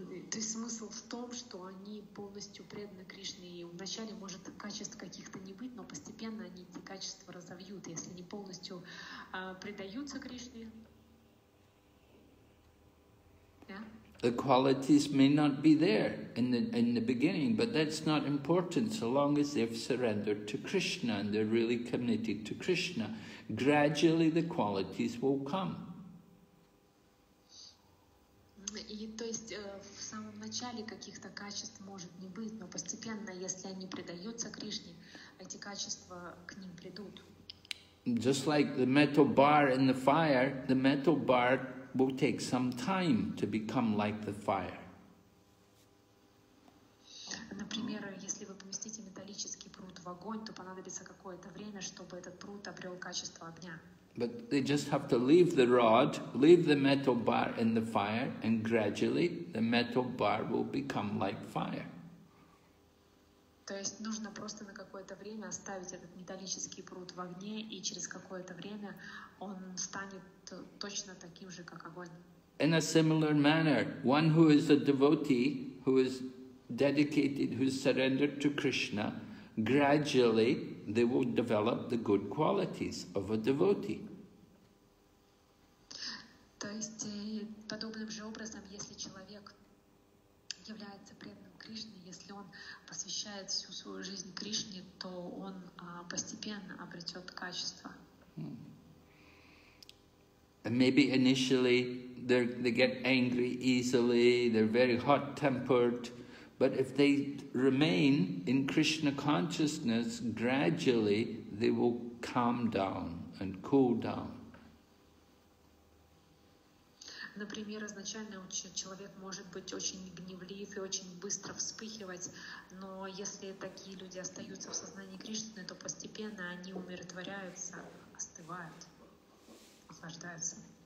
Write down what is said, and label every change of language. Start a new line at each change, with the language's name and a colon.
Russian: То есть смысл в том, что они полностью преданы Кришне, и вначале может качеств каких-то не быть, но постепенно они эти качества разовьют, если они полностью предаются Кришне.
English: The qualities may not be there in the beginning, but that's not important, so long as they've surrendered to Krishna and they're really committed to Krishna. Gradually the qualities will come.
Russian: И то есть в самом начале каких-то качеств может не быть, но постепенно, если они предаются Кришне, эти качества к ним придут.
English: Just like the metal bar in the fire, the metal bar will take some time to become like the fire.
Russian: Например, если вы поместите металлический прут в огонь, то понадобится какое-то время, чтобы этот прут обрел качество огня.
English: But they just have to leave the rod, leave the metal bar in the fire, and gradually the metal bar will become like fire.
Russian: То есть нужно просто на какое-то время оставить этот металлический прут в огне, и через какое-то время он станет точно таким же, как огонь.
English: In a similar manner, one who is a devotee, who is dedicated, who is surrendered to Krishna, gradually they will develop the good qualities of a devotee.
Russian: То есть подобным же образом, если человек является преданным Кришне, если он посвящает всю свою жизнь Кришне, то он постепенно обретет качество.
English: And maybe initially they get angry easily, they're very hot-tempered. But if they remain in Krishna consciousness, gradually they will calm down and cool down.
Russian: Например, изначально человек может быть очень гневлив и очень быстро вспыхивать, но если такие люди остаются в сознании Кришны, то постепенно они умиротворяются, остывают, охлаждаются.